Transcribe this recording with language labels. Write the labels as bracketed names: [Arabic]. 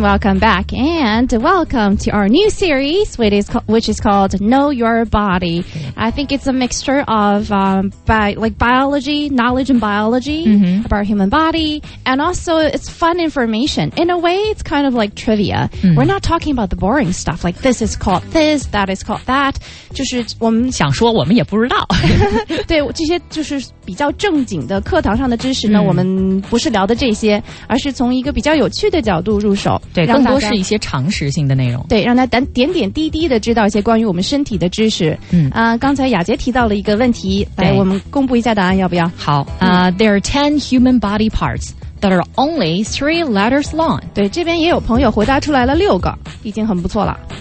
[English] Welcome back and welcome to our new series, which is called Know Your Body. I think it's a mixture of biology, knowledge and biology about our human body. And also it's fun information. In a way, it's kind of like trivia. We're not talking about the boring stuff like this is called this, that is called that. [Chinese] 就是我们想说我们也不知道对这些就是比较正经的课堂上的知识呢我们不是聊的这些而是从一个比较有趣的角度入手对更多是一些常识性的内容对让他点点滴滴的知道一些关于我们身体的知识刚才雅洁提到了一个问题来我们公布一下答案要不要好 [English] There are 10 human body parts that are only 3 letters long [Chinese] 对这边也有朋友回答出来了6个已经很不错了